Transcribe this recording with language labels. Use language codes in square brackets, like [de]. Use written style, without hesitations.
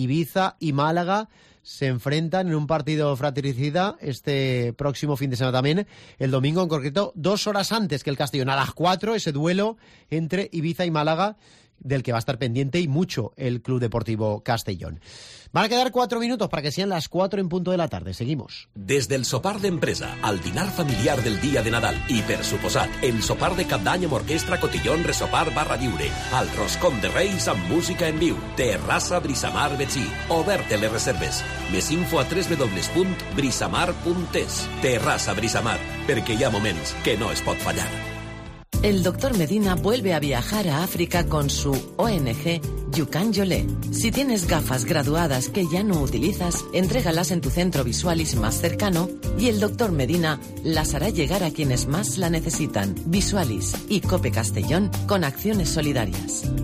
[es] Ibiza y Málaga se enfrentan en un partido fratricida este próximo fin de semana también, el domingo en concreto, 2 horas antes que el Castellón, a las 4, ese duelo entre Ibiza y Málaga, del que va a estar pendiente y mucho el Club Deportivo Castellón. Van a quedar 4 minutos para que sean las 4 en punto de la tarde. Seguimos. Desde el [ca] sopar de empresa al dinar familiar [es] del día de [ca] Nadal y per suposat, el sopar de cap d'any amb orquestra Cotillón Resopar barra lliure, al roscón de Reis amb música en viu, Terrassa Brisamar Betxí, oberte les reserves. Més info a www.brisamar.es. Terrassa Brisamar, perquè hi ha moments que no es pot fallar. [es] El doctor Medina vuelve a viajar a África con su ONG Yucan Yolé. Si tienes gafas graduadas que ya no utilizas, entrégalas en tu centro Visualis más cercano y el doctor Medina las hará llegar a quienes más la necesitan. Visualis y COPE Castellón con acciones solidarias.